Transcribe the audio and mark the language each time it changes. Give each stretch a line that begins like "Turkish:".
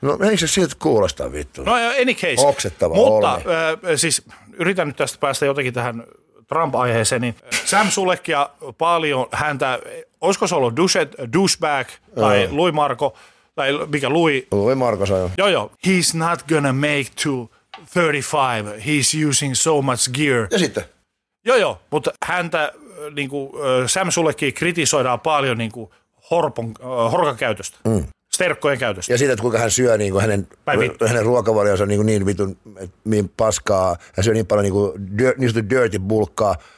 Finnish: No eikö se siltä kuulosta vittu?
English: No any case.
Finnish: Oksettava mutta, olmi. Mutta siis yritän nyt tästä päästä jotenkin tähän Trump-aiheeseen, niin Sam Sulekia paljon häntä, olisiko se ollut Duchet, Douchebag tai Louis Marco, tai mikä Louis? Louis Marco sai. Joo.
English: He's not gonna make to 35, he's using so much gear.
Finnish: Ja sitten? Joo, mutta häntä, niin kuin Sam Sulekia kritisoidaan paljon niin kuin horkakäytöstä. Mm. Sterkkojen käytöstä. Ja siitä, että kuinka hän syö niin kuin hänen ruokavalionsa niin, niin vitun niin paskaa. Hän syö niin paljon niin kuin niistä dirty bulkkaa.